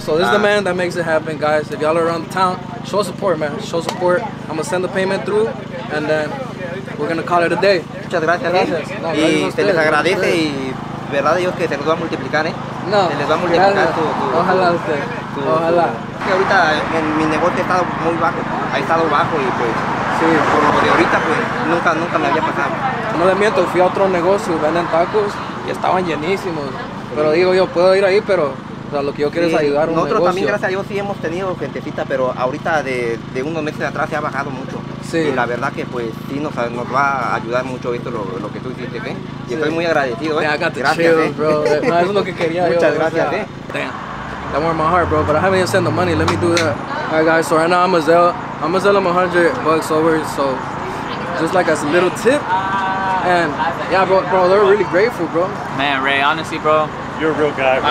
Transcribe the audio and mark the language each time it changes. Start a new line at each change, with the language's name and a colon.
English: So this is the man that makes it happen, guys. If y'all are around town, show support, man. Show support. I'm going to send the payment through and then we're going to call it a day.
Spanish: Muchas gracias. Y se les agradece y verdad Dios que se nos va a multiplicar, ¿eh? No. Se les va a multiplicar. Ojalá usted. Ojalá. Que ahorita en mi negocio ha estado muy bajo. Ha estado bajo y pues... Sí, por lo de ahorita pues nunca me había pasado. No le miento, fui a otro negocio, venden tacos y estaban llenísimos. Pero digo yo, puedo ir ahí, pero o sea, lo que yo quiero es ayudar a un nosotros negocio. También, gracias a Dios, sí hemos tenido gentecita, pero ahorita de unos meses de atrás se ha bajado mucho. Sí. Y la verdad que pues sí nos va a ayudar mucho esto lo que tú hiciste, ¿eh? Y sí. Estoy muy agradecido, ¿eh? Gracias,
English: chill, bro.
Spanish: No, eso es lo que quería. Muchas yo, gracias, o sea, ¿eh?
English: Damn, that warmed my heart, bro. But I haven't sent the money, let me do that. All right, guys, so right now I'm gonna sell them $100 over, so just like as a little tip. And yeah, bro, they're really grateful, bro. Man, Reyy, honestly, bro. You're a real guy, bro.